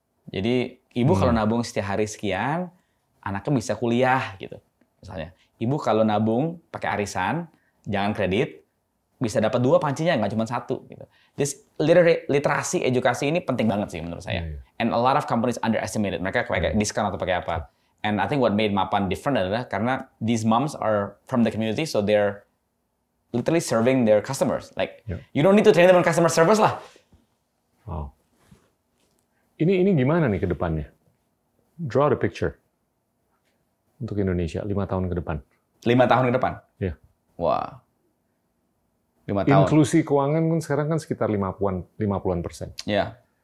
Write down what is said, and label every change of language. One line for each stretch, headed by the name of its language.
Indonesian: Jadi ibu kalau nabung setiap hari sekian, anaknya bisa kuliah gitu. Misalnya, ibu kalau nabung pakai arisan, jangan kredit, bisa dapat dua pancinya, nggak cuma satu. Gitu. This literasi edukasi ini penting banget sih menurut saya. Yeah, yeah.
English: And a lot of companies underestimated.
Indonesian: Mereka pakai diskon atau pakai apa.
English: And I think what made Mapan different
Indonesian: adalah karena
English: these moms are from the community, so they're literally serving their customers. Like, you don't need to train them on customer service lah. Wow.
Indonesian: Ini gimana nih ke depannya?
English: Draw the picture.
Indonesian: Untuk Indonesia, 5 tahun ke depan. 5 tahun ke depan? Iya. Wah. 5 tahun. Inklusi keuangan kan sekarang kan sekitar 50%. Iya.